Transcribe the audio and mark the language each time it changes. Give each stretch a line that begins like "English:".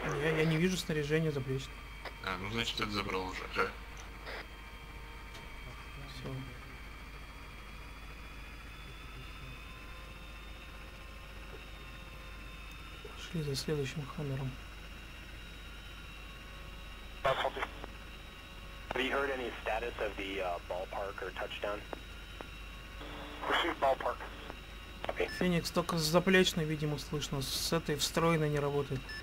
Russian: Я не вижу снаряжения заплечных. А, ну значит, это забрал уже, да? Всё. И за следующим хаммером.
English: Have you heard any status of the ballpark or touchdown? Receive ballpark. Okay.
Russian: Феникс только с заплечной, видимо, слышно. С этой встроенной не работает.